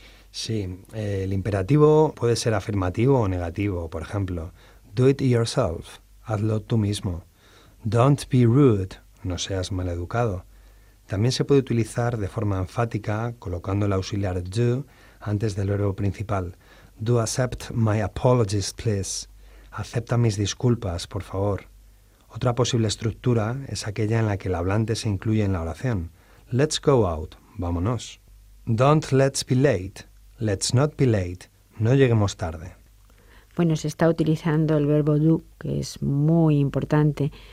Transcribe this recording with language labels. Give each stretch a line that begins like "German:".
Spanish: Sí, el imperativo puede ser afirmativo o negativo. Por ejemplo,
English: do it yourself,
Spanish: hazlo tú mismo.
English: Don't be rude,
Spanish: no seas maleducado. También se puede utilizar de forma enfática, colocando el auxiliar do antes del verbo principal.
English: Do accept my apologies, please.
Spanish: Acepta mis disculpas, por favor. Otra posible estructura es aquella en la que el hablante se incluye en la oración.
English: Let's go out,
Spanish: vámonos.
English: Don't let's be late. Let's not be late.
Spanish: No lleguemos tarde. Bueno, se está utilizando el verbo do, que es muy importante.